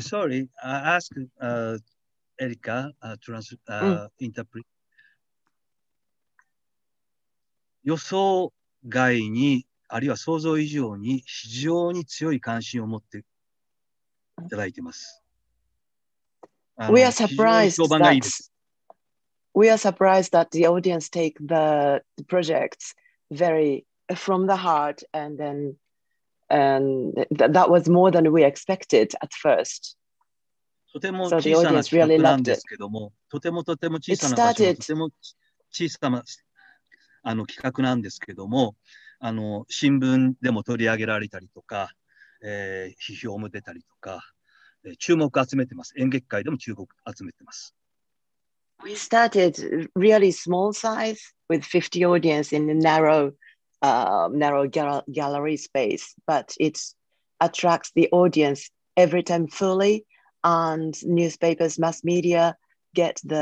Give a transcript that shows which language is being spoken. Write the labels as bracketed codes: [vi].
[en] Sorry, I ask Erika trans interpret. [ja] 予想外に、あるいは想像以上に非常に強い関心を持っていただいています。 [en] We are surprised that we are surprised that the audience take the projects very from the heart and then and that was more than we expected at first. [ja] とても小さな企画なんですけども、とてもとても小さな場所、とても小さな。あの企画なんですけどもあの新聞でも取り上げられたりとか、批評も出たりとか、注目集めてます演劇界でも注目集めてます [en] We started really small size with 50 audience in a narrow,narrow gallery space but it attracts the audience every time fully and newspapers, mass media get